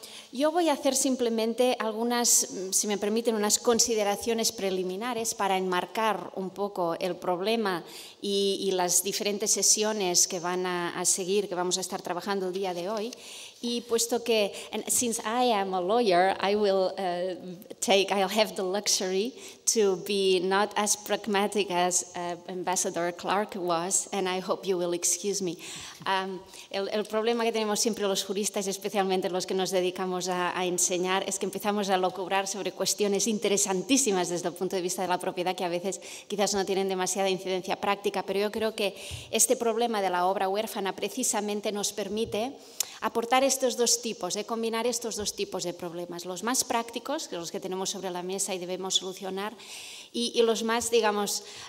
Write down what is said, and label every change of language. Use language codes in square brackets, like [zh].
[es] Yo voy a hacer simplemente algunas, si me permiten, unas consideraciones preliminares para enmarcar un poco el problema y las diferentes sesiones que van a seguir, que vamos a estar trabajando el día de hoy. Y puesto que, [en] since I am a lawyer, I'll have the luxury to be not as pragmatic as Ambassador Clark was, and I hope you will excuse me. [es] El problema que tenemos siempre los juristas, especialmente los que nos dedicamos a enseñar, es que empezamos a locubrar sobre cuestiones interesantísimas desde el punto de vista de la propiedad, que a veces quizás no tienen demasiada incidencia práctica, pero yo creo que este problema de la obra huérfana precisamente nos permite aportar estos dos tipos, de combinar estos dos tipos de problemas, los más prácticos, que son los que tenemos sobre la mesa y debemos solucionar, y los más, digamos,